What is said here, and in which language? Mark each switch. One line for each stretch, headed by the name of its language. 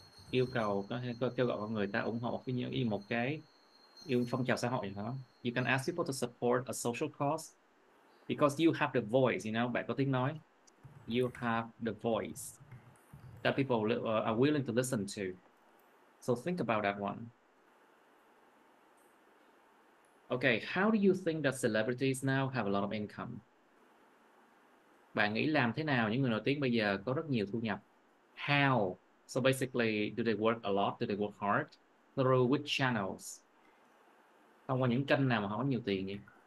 Vietnamese: Yêu cầu có thể kêu gọi con người ta ủng hộ cái như một cái yêu phong trào xã hội đó.
English: You can ask people to support a social cause. Because you have the voice, you know,
Vietnamese: bạn có tiếng nói.
English: You have the voice that people are willing to listen to. So think about that one. Okay, how do you think that celebrities now have a lot of income?
Vietnamese: Bạn nghĩ làm thế nào những người nổi tiếng bây giờ có rất nhiều thu nhập?
English: How? So basically, do they work a lot? Do they work hard? Through which channels?
Vietnamese: Thông qua những kênh nào mà họ có nhiều tiền nhỉ?